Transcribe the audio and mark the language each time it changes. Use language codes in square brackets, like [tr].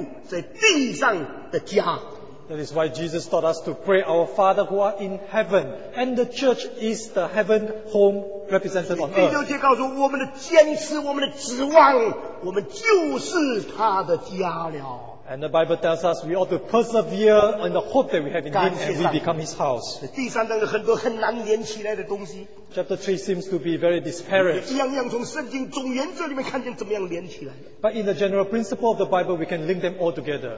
[en] That is why Jesus taught us to pray our Father who art in heaven. And the church is the heaven home represented on earth. [zh] 第六节告诉我们的坚持，我们的指望，我们就是他的家了。 [en] And the Bible tells us we ought to persevere in the hope that we have in Him, and we become His house. Chapter 3 seems to be very disparate. But in the general principle of the Bible, we can link them all together.